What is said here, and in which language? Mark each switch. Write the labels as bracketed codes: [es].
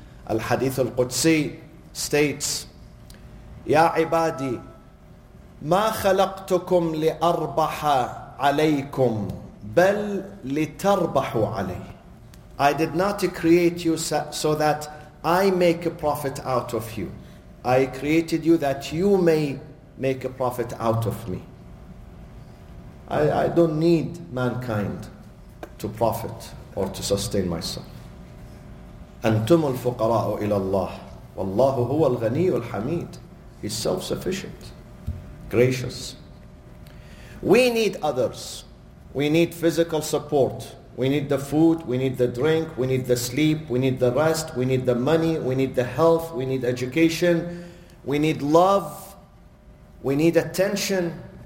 [ar] الحديث القدسي states, يا عبادي ما خلقتكم لأربح عليكم بل لتربحوا علي. [en] I did not create you so that I make a profit out of you. I created you that you may make a profit out of me. I don't need mankind to profit or to sustain myself. [ar] أنتم الفقراء إلى الله والله هو الغني الحميد. [en] He's self-sufficient, gracious. We need others. We need physical support. We need the food, we need the drink, we need the sleep, we need the rest, we need the money, we need the health, we need education, we need love, we need attention.